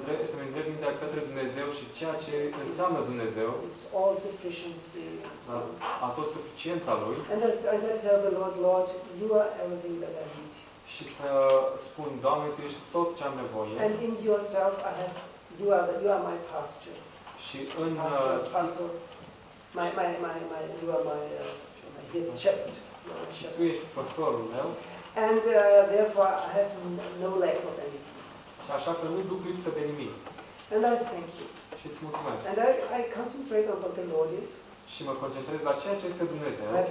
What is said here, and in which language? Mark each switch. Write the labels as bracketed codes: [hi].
[ro] Să mă îndrept mintea către Dumnezeu și ceea ce înseamnă Dumnezeu. [en] It's all sufficiency. [ro] A tot suficiența Lui. [en] And I tell the Lord, you are everything that I need. [ro] Și să spun, Doamne, Tu ești tot ce am nevoie. [en] And in yourself I have you are my pasture. [ro] Și în [en] pastor. My you are my shepherd. [ro] Tu ești pastorul meu. [en] And therefore I have no lack of anything. [ro] Și așa că nu duc lipsă de nimic. [en] And I thank you. [ro] Și îți mulțumesc. [en] And I concentrate on what the Lord is. [ro] Și mă concentrez la ceea ce este Dumnezeu.